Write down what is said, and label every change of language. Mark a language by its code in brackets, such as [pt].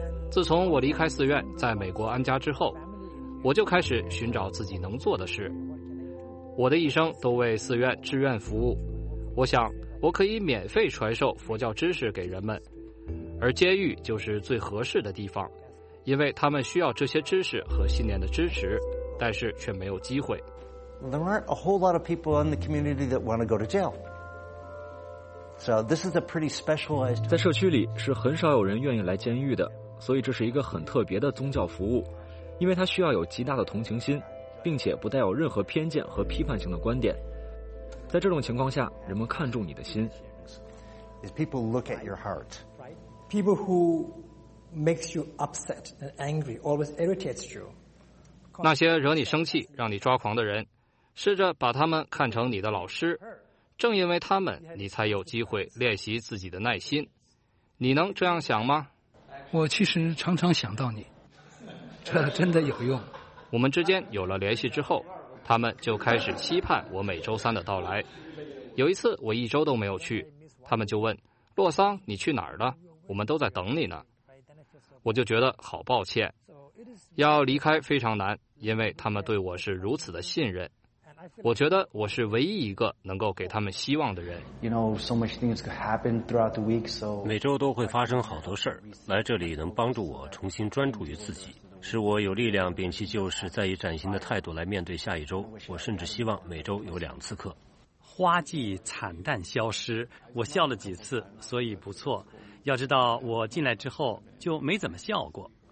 [zh] 自从我离开寺院，在美国安家之后，我就开始寻找自己能做的事。我的一生都为寺院志愿服务，我想我可以免费传授佛教知识给人们。而监狱就是最合适的地方，因为他们需要这些知识和信念的支持，但是却没有机会。 [en] There aren't a whole lot of people in the community that want to go to jail. So this is a pretty specialized. [zh] 在社区里是很少有人愿意来监狱的，所以这是一个很特别的宗教服务，因为它需要有极大的同情心，并且不带有任何偏见和批判性的观点。在这种情况下，人们看重你的心。 [en] Is people look at your heart. People who makes you upset and angry always irritates you. [zh] 那些惹你生气、让你抓狂的人，试着把他们看成你的老师。正因为他们，你才有机会练习自己的耐心。你能这样想吗？我其实常常想到你，这真的有用。我们之间有了联系之后，他们就开始期盼我每周三的到来。有一次我一周都没有去，他们就问：“洛桑，你去哪儿了？” 我们都在等你呢，我就觉得好抱歉。要离开非常难，因为他们对我是如此的信任。我觉得我是唯一一个能够给他们希望的人。 [en] You know, so much things could happen throughout the week, so [zh] 每周都会发生好多事儿。来这里能帮助我重新专注于自己，使我有力量摒弃旧事，再以崭新的态度来面对下一周。我甚至希望每周有两次课。花季惨淡消失，我笑了几次，所以不错。要知道我进来之后就没怎么笑过，